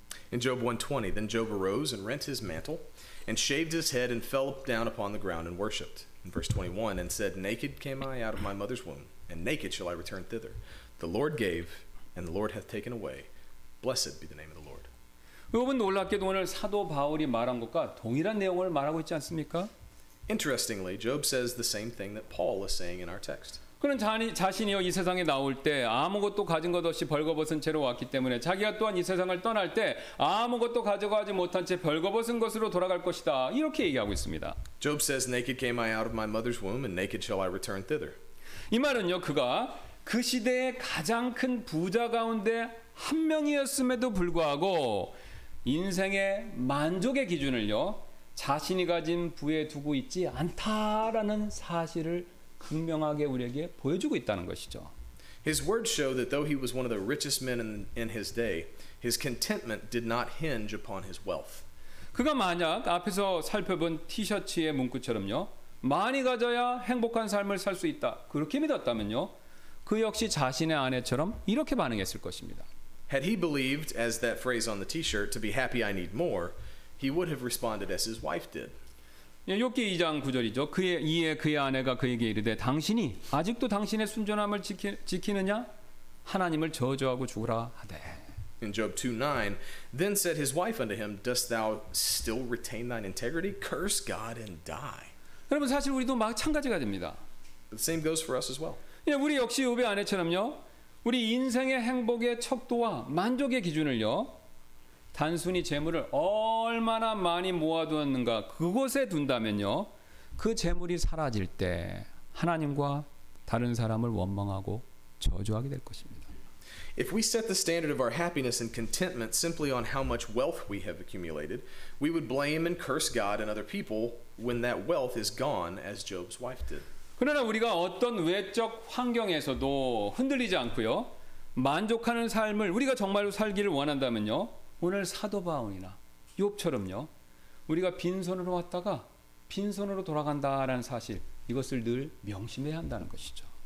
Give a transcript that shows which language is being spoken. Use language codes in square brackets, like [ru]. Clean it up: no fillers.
[en] In Job 1:20, then Job arose and rent his mantle and shaved his head and fell down upon the ground and worshipped. In verse 21, and said, Naked came I out of my mother's womb, and naked shall I return thither. The Lord gave, and the Lord hath taken away. Blessed be the name of the Lord. [ko] 욥은 놀랍게도 오늘 사도 바울이 말한 것과 동일한 내용을 말하고 있지 않습니까? [en] Interestingly, Job says the same thing that Paul is saying in our text. [ko] 그는 자신이요 이 세상에 나올 때 아무것도 가진 것 없이 벌거벗은 채로 왔기 때문에 자기가 또한 이 세상을 떠날 때 아무것도 가져가지 못한 채 벌거벗은 것으로 돌아갈 것이다 이렇게 얘기하고 있습니다. [en] Job says, "Naked came I out of my mother's womb, and naked shall I return thither." [ko] 이 말은요 그가 그 시대의 가장 큰 부자 가운데 한 명이었음에도 불구하고 인생의 만족의 기준을요 자신이 가진 부에 두고 있지 않다라는 사실을 분명하게 우리에게 보여주고 있다는 것이죠. [en] His words show that though he was one of the richest men in his day, his contentment did not hinge upon his wealth. [ko] 그가 만약 앞에서 살펴본 티셔츠의 문구처럼요, 많이 가져야 행복한 삶을 살 수 있다. 그렇게 믿었다면요, 그 역시 자신의 아내처럼 이렇게 반응했을 것입니다. [en] Had he believed as that phrase on the t-shirt to be happy I need more, he would have responded as his wife did. [ko] 욥기 2장 9절이죠. 이에 그의 아내가 그에게 이르되 당신이 아직도 당신의 순전함을 지키느냐? 하나님을 저주하고 죽으라 하되. [en] In Job 2:9, then said his wife unto him, Dost thou still retain thine integrity? Curse God and die. [ko] 여러분 사실 우리도 마찬가지가 됩니다. [en] The same goes for us as well. [ko] 우리 역시 욥의 아내처럼요. 우리 인생의 행복의 척도와 만족의 기준을요. 단순히 재물을 얼마나 많이 모아두었는가 그곳에 둔다면요 그 재물이 사라질 때 하나님과 다른 사람을 원망하고 저주하게 될 것입니다. [en] If we set the standard of our happiness and contentment simply on how much wealth we have accumulated, we would blame and curse God and other people when that wealth is gone, as Job's wife did. [ko] 그러나 우리가 어떤 외적 환경에서도 흔들리지 않고요 만족하는 삶을 우리가 정말로 살기를 원한다면요. 오늘 사도 바울이나 욥처럼요. 우리가 빈손으로 왔다가 빈손으로 돌아간다라는 사실 이것을 늘 명심해야 한다는 것이죠.